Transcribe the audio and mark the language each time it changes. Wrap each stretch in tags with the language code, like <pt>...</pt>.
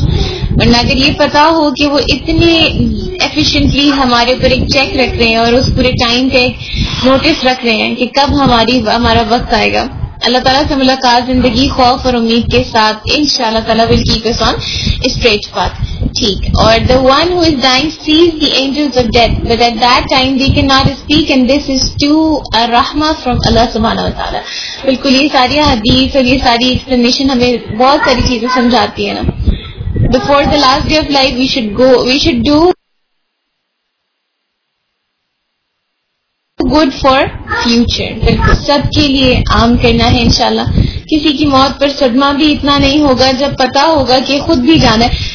<ur>ورنہ اگر یہ پتا ہو کہ وہ اتنے ایفیشنٹلی ہمارے اوپر ایک چیک رکھ رہے ہیں اور اس پورے ٹائم پہ ایک نوٹس رکھ رہے ہیں کہ کب ہمارا وقت آئے گا. اللہ تعالیٰ سے ملاقات زندگی خوف اور امید کے ساتھ، ان شاء اللہ تعالیٰ</ur> <en>will keep us on straight path.</en> <ur>ٹھیک.</ur> <en>اور the one who is dying sees the angels of death, but at that time they cannot speak, and this is too a rahma from Allah سبحانہ وتعالیٰ.</en> <ur>بالکل، یہ ساری حدیث اور یہ ساری ایکسپلینیشن ہمیں بہت ساری چیزیں سمجھاتی ہے نا.</ur> <en>Before the last day of life we should do good for future.</en> <ur>بالکل، سب کے لیے عام کرنا ہے ان شاء اللہ. کسی کی موت پر صدمہ بھی اتنا نہیں ہوگا جب پتا ہوگا کہ خود بھی جانا ہے.</ur>